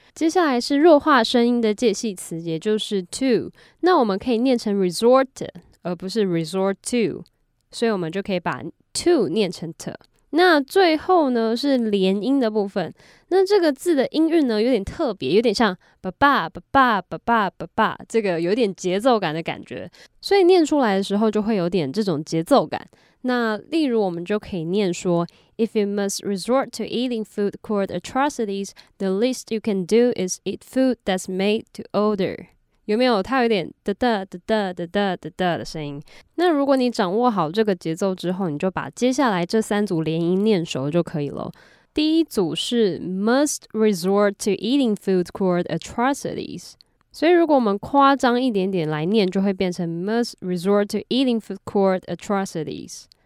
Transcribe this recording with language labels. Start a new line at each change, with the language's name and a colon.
Chinese: 接下来是弱化声音的介系词，也就是 to， 那我们可以念成 resort 而不是 resort to， 所以我们就可以把 to 念成 t。那最后呢是连音的部分，那这个字的音韵呢有点特别，有点像爸爸爸爸爸爸爸爸，这个有点节奏感的感觉，所以念出来的时候就会有点这种节奏感。那例如我们就可以念说
English: If you must resort to eating food court atrocities, the least you can do is eat food that's made to order.
Chinese: 有没有它有点哒哒哒哒哒哒哒哒的声音？那如果你掌握好这个节奏之后，你就把接下来这三组连音念熟就可以了。第一组是
English: must resort to eating food court atrocities，
Chinese: 所以如果我们夸张一点点来念，就会变成 must resort to eating food court atrocities。